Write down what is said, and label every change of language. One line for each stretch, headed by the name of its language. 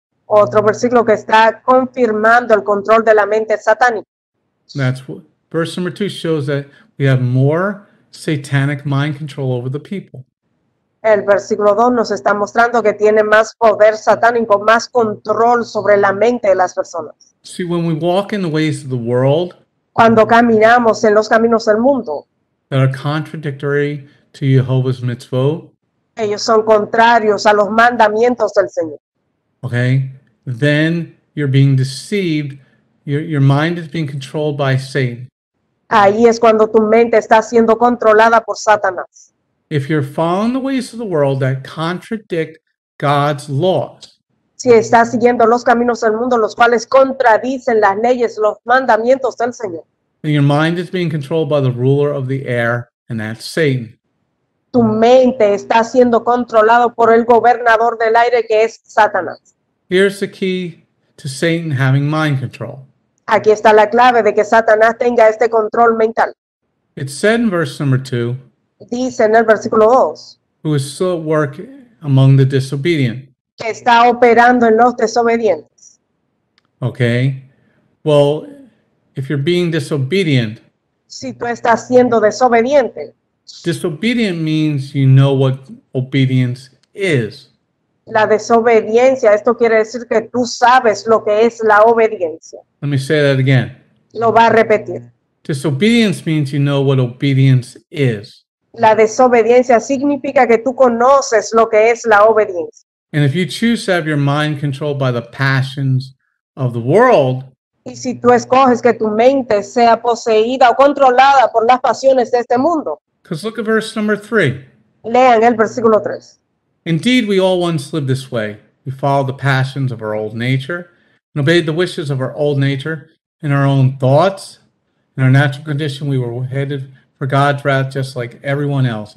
Spanish: Otro versículo que está confirmando el control de la mente satánica.
English: That's what verse number 2 shows, that we have more satanic mind control over the people.
Spanish: El versículo 2 nos está mostrando que tiene más poder satánico, más control sobre la mente de las personas.
English: See, when we walk in the ways of the world,
Spanish: cuando caminamos en los caminos del mundo,
English: that are contradictory to Jehovah's mitzvot,
Spanish: ellos son contrarios a los mandamientos del Señor.
English: Okay, then you're being deceived. Your mind is being controlled by Satan.
Spanish: Ahí es cuando tu mente está siendo controlada por Satanás.
English: If you're following the ways of the world that contradict God's laws.
Spanish: Si estás siguiendo los caminos del mundo, los cuales contradicen las leyes, los mandamientos del Señor.
English: And your mind is being controlled by the ruler of the air, and that's Satan.
Spanish: Tu mente está siendo controlado por el gobernador del aire, que es Satanás.
English: Here's the key to Satan having mind control.
Spanish: Aquí está la clave de que Satanás tenga este control mental.
English: It said in verse number 2.
Spanish: Dice en el versículo 2.
English: Who is still at work among the disobedient.
Spanish: Que está operando en los desobedientes.
English: Okay. Well, if you're being disobedient.
Spanish: Si tú estás siendo desobediente.
English: Disobedient means you know what obedience is.
Spanish: La desobediencia, esto quiere decir que tú sabes lo que es la obediencia.
English: Let me say that again.
Spanish: Lo va a repetir.
English: Disobedience means you know what obedience is.
Spanish: La desobediencia significa que tú conoces lo que es la obediencia.
English: And if you choose to have your mind controlled by the passions of the world,
Spanish: y si tú escoges que tu mente sea poseída o controlada por las pasiones de este mundo,
English: because look at verse number 3.
Spanish: Lean el versículo 3.
English: Indeed, we all once lived this way. We followed the passions of our old nature and obeyed the wishes of our old nature in our own thoughts. In our natural condition, we were headed for God's wrath just like everyone else.